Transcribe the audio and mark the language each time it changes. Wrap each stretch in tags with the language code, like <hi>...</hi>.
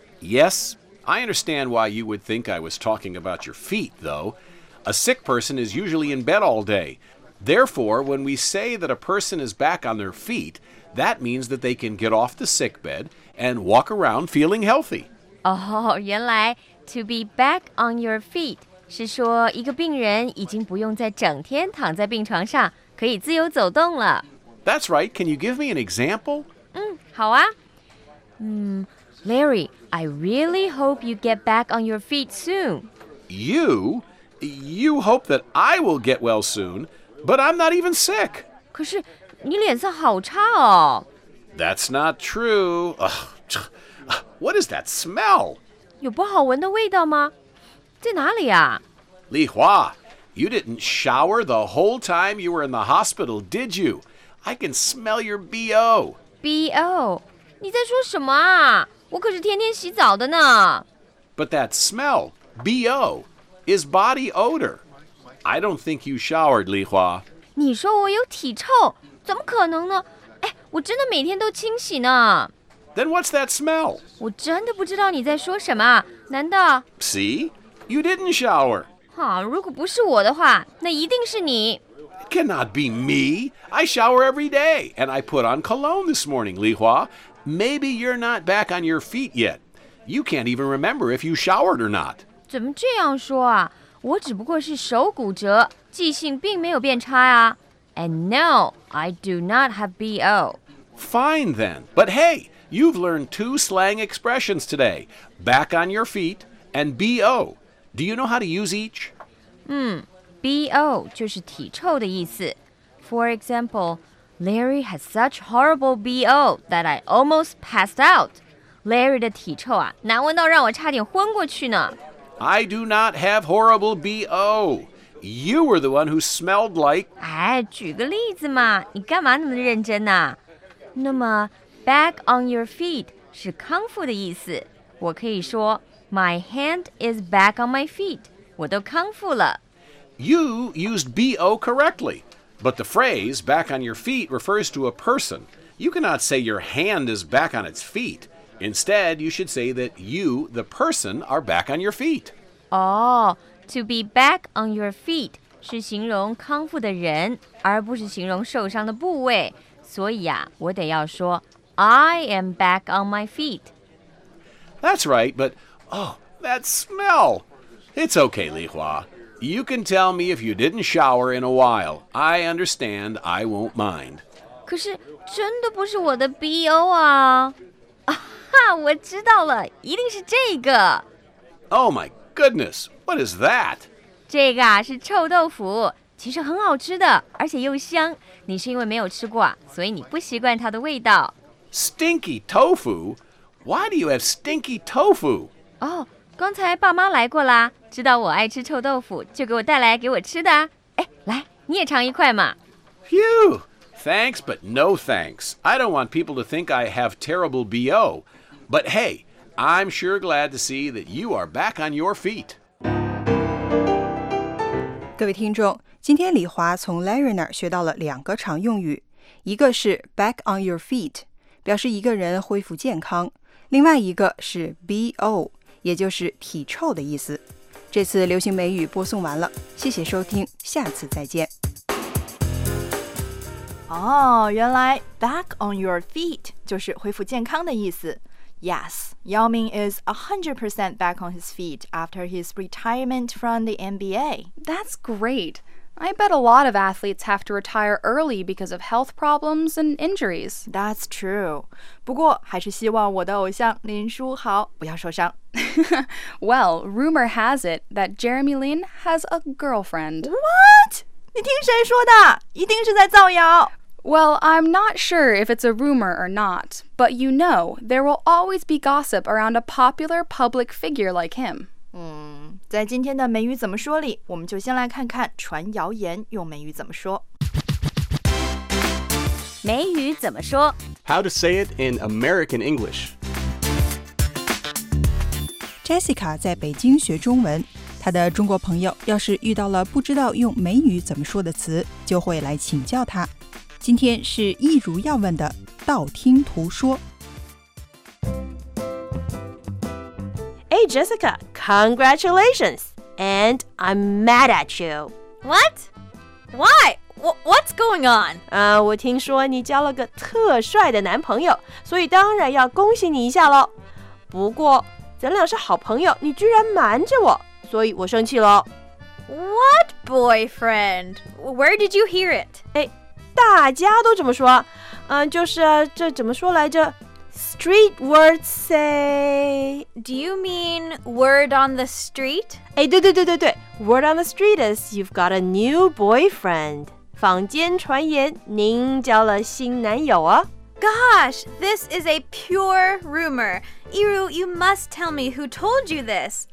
<en>Yes, I understand why you would think I was talking about your feet, though. A sick person is usually in bed all day. Therefore, when we say that a person is back on their feet, that means that they can get off the sick bed and walk around feeling healthy.</en> <zh>Oh, 原来</zh> <en>to be back on your feet</en> <zh>是说一个病人已经不用再整天躺在病床上，可以自由走动了。</zh> <en>That's right. Can you give me an example?</en> <zh>好啊。</zh> <en>Larry, I really hope you get back on your feet soon. You hope that I will get well soon, but I'm not even sick.</en> <zh>可是你脸色好差哦。</zh> <en>That's not true. Ugh, what is that smell?</en> <zh>有不好闻的味道吗？在哪里啊？</zh> <en>李华, you didn't shower the whole time you were in the hospital, did you? I can smell your BO.</en> <zh>BO? 你在说什么啊？我可是天天洗澡的呢。</zh> <en>But that smell, B.O., is body odor. I don't think you showered, Li Hua.</en> <zh>你说我有体臭，怎么可能呢？哎，我真的每天都清洗呢。</zh> <en>Then what's that smell?</en> <zh>我真的不知道你在说什么，难道</zh> <en>？See, you didn't shower.</en> <zh>哈，如果不是我的话，那一定是你。</zh> <en>Cannot be me. I shower every day, and I put on cologne this morning, Li Hua.Maybe you're not back on your feet yet. You can't even remember if you showered or not.</en> <zh>怎么这样说啊？我只不过是手骨折，记性并没有变差啊。</zh> <en>And no, I do not have BO. Fine then. But hey, you've learned two slang expressions today. Back on your feet and BO. Do you know how to use each?</en> <zh>BO 就是体臭的意思。</zh> <en>For example, Larry has such horrible BO that I almost passed out.</en> <zh>Larry 的体臭啊，难闻到让我差点昏过去呢。</zh> <en>I do not have horrible BO. You were the one who smelled like...</en> <zh>哎，举个例子嘛，你干嘛那么认真呢？那么</zh> <en>back on your feet</en> <zh>是康复的意思。我可以说</zh> <en>my hand is back on my feet.</en> <zh>我都康复了。</zh> <en>You used BO correctly. But the phrase back on your feet refers to a person. You cannot say your hand is back on its feet. Instead, you should say that you, the person, are back on your feet. Oh, to be back on your feet</en> <zh>是形容康复的人，而不是形容受伤的部位。所以啊，我得要说</zh> <en>I am back on my feet. That's right, but oh, that smell. It's okay, Lihua. You can tell me if you didn't shower in a while. I understand, I won't mind.</en> <zh>可是真的不是我的 BO 啊。我知道了，一定是这个。</zh> <en>Oh my goodness, what is that?</en> <zh>这个啊是臭豆腐，其实很好吃的，而且又香。你是因为没有吃过，所以你不习惯它的味道。</zh> <en>Stinky tofu? Why do you have stinky tofu? 哦，刚才爸妈来过啦，知道我爱吃臭豆腐，就给我带来给我吃的。哎，来，你也尝一块嘛。 Phew! Thanks, but no thanks. I don't want people to think I have terrible BO. But hey, I'm sure glad to see that you are back on your feet.</en> <zh>各位听众，今天李华从 Larry 那儿学到了两个常用语，一个是</zh> <en>back on your feet，</en> <zh>表示一个人恢复健康；另外一个是 BO， 也就是体臭的意思。这次流行美语播送完了，谢谢收听，下次再见。哦，原来</zh> <en>back on your feet</en> <zh>就是恢复健康的意思。</zh> <en>Yes, Yao Ming is 100% back on his feet after his retirement from the NBA. That's great. I bet a lot of athletes have to retire early because of health problems and injuries. That's true.</en> <zh>不过还是希望我的偶像林书豪不要受伤。</zh> <en>Well, rumor has it that Jeremy Lin has a girlfriend. What?</en> <zh>你听谁说的？一定是在造谣。</zh> <en>Well, I'm not sure if it's a rumor or not, but you know, there will always be gossip around a popular public figure like him.</en> <zh>在今天的美语怎么说里，我们就先来看看传谣言用美语怎么说。美语怎么说</zh> <en>？How to say it in American English?</en> <zh>Jessica 在北京学中文。他的中国朋友要是遇到了不知道用美语怎么说的词，就会来请教他。今天是一如要问的道听途说。</zh> <en>Hey Jessica, congratulations, and I'm mad at you. What? Why? What's going on?</en> <zh>我听说你交了个特帅的男朋友，所以当然要恭喜你一下咯。不过，咱俩是好朋友，你居然瞒着我。所以我生气了。</zh> <en>What boyfriend? Where did you hear it?</en> <zh>哎，大家都这么说。就是这怎么说来着 ？</zh> <en>Street words say. Do you mean word on the street?</en> <zh>哎，对。</zh> <en>Word on the street is you've got a new boyfriend.</en> <zh>坊间传言您交了新男友啊。</zh> <en>Gosh, this is a pure rumor. Iru, you must tell me who told you this.</en>